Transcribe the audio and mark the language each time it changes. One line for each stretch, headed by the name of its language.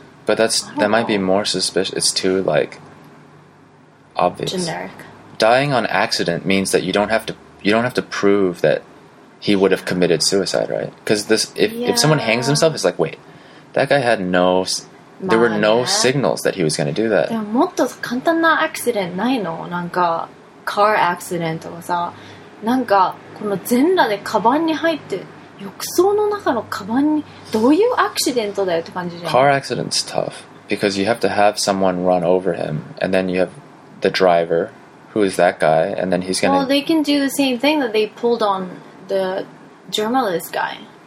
English: But that might be more suspicious. It's too, like, obvious. Generic. Dying on accident means that you don't have to prove that he would have committed suicide, right? Because if someone hangs himself, it's like, wait, that guy had no... There were no signals that he was going to do that.
Japanese: でももっと簡単なアクシデントないの? なんか、
English: car accident
Japanese: とかさ、なんかこの全裸でカバンに入って浴槽の中のカバンにどういうアクシデントだよって感じじゃん。
English: Car accident's tough because you have to have someone run over him and then you have the driver who is that guy and then he's gonna... Well, they can do the same thing that they pulled on the journalist guy.